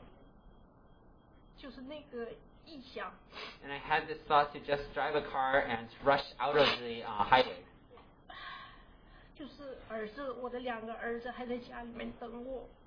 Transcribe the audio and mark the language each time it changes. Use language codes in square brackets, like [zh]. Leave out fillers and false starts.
[zh] 那一刻我真的有想开车冲出高速公路的那个就是那个意象 [en] And I had this thought to just drive a car and rush out of the highway [zh] 就是儿子我的两个儿子还在家里面等我